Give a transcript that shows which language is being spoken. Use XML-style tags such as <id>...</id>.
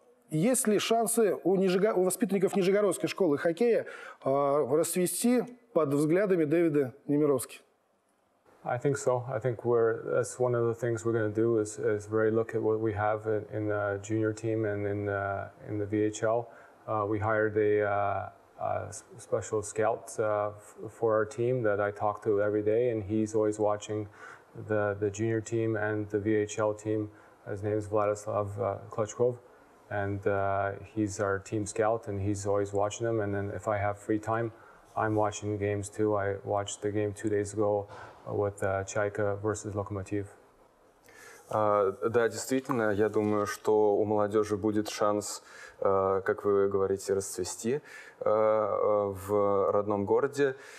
<ru>Есть ли шансы у воспитанников Нижегородской школы хоккея расцвести под взглядами Дэвида Немировски?</ru> <en>I think so. I think that's one of the things we're going to do is really look at what we have in the junior team and in the VHL. We hired a special scout for our team that I talk to every day, and he's always watching the junior team and the VHL team. His name is Vladislav Klutchkov, and he's our team scout, and he's always watching them. And then if I have free time, I'm watching games too. I watched the game 2 days ago with Чайка versus Локомотив.</en> <ru>Да, действительно, я думаю, что у молодежи будет шанс, как вы говорите, расцвести в родном городе.</ru>